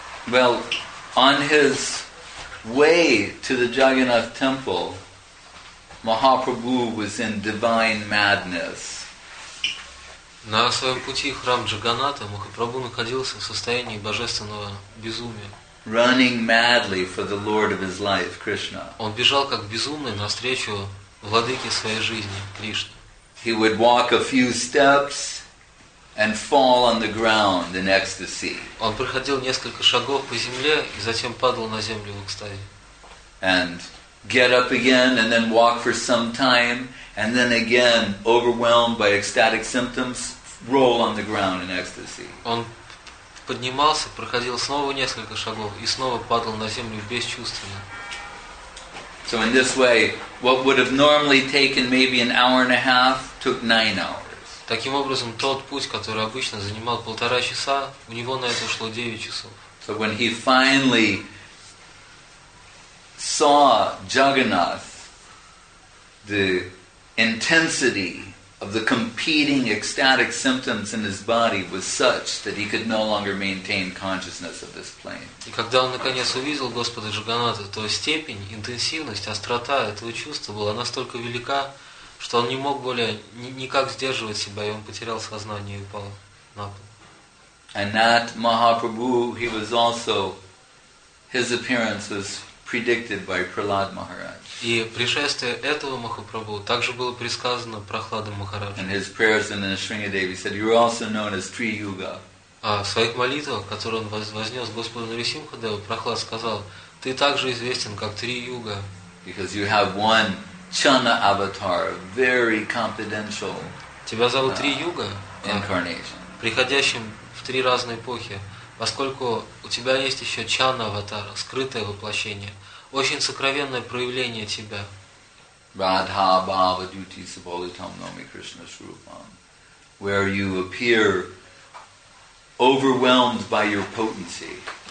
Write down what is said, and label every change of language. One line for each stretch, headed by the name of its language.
English: Well, on his way to the Jagannath temple, Mahaprabhu was in divine madness.
Russian: На своем пути в храм Джаганната Махапрабху находился в состоянии божественного безумия.
English: Running madly for the Lord of his life, Krishna.
Russian: Он бежал как безумный навстречу владыке своей жизни, Кришне.
English: He would walk a few steps and fall on the ground in ecstasy.
Russian: Он проходил несколько шагов по земле и затем падал на землю в экстазе.
English: And get up again and then walk for some time. And then again, overwhelmed by ecstatic symptoms, roll on the ground in ecstasy.
Russian: Он поднимался, проходил снова несколько шагов и снова падал на землю бесчувственно.
English: So in this way, what would have normally taken maybe an hour and a half took 9 hours.
Russian: Таким образом, тот путь, который обычно занимал полтора часа, у него на это ушло 9 часов.
English: So when he finally saw Jagannath, the intensity of the competing ecstatic symptoms in his body was such that he could no longer maintain consciousness of this plane.
Russian: И когда он наконец увидел Господа Джаганнатха, то степень, интенсивность, острота этого чувства была настолько велика, что он не мог более никак сдерживать себя, и он потерял сознание и упал на пол.
English: And that Mahaprabhu, he was also, his appearance was predicted by Prahlad Maharaj.
Russian: И пришествие этого Махапрабху также было предсказано Прахладом Махараджем.
English: And his prayers in the Śrīmad-Bhāgavatam, he said, you are also known as Tri Yuga.
Russian: А в своих молитвах, которые он вознес Господу Нарисимхадеву, Прахлад сказал, ты также известен как Три Юга.
English: Because you have one Channa avatar, very confidential.
Russian: Тебя зовут Три Юга.
English: Incarnation.
Russian: Приходящим в три разные эпохи, поскольку у тебя есть еще Channa avatar, скрытое воплощение. Очень сокровенное проявление тебя.
Sanskrit: Radha Bhava Duti Sabolitam Nomi Krishna Shrupam.
English: Where you appear overwhelmed by your potency.